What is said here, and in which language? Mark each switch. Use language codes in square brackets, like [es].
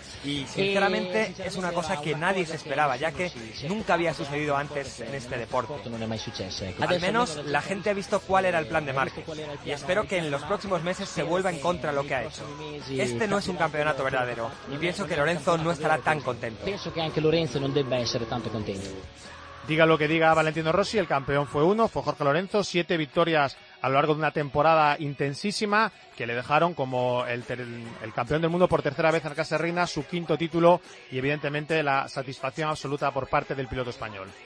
[es] Y sinceramente es una cosa que nadie se esperaba, ya que nunca había sucedido antes en este deporte. Al menos la gente ha visto cuál era el plan de Márquez y espero que en los próximos meses se vuelva en contra lo que ha hecho. Este no es un campeonato verdadero y pienso que Lorenzo no estará tan contento. Pienso que [it] anche Lorenzo non debba essere tanto contento. [es] Diga lo que diga Valentino Rossi, el campeón fue uno, fue Jorge Lorenzo. 7 victorias a lo largo de una temporada intensísima que le dejaron como el campeón del mundo por tercera vez en la clase reina, su 5º título y evidentemente la satisfacción absoluta por parte del piloto español.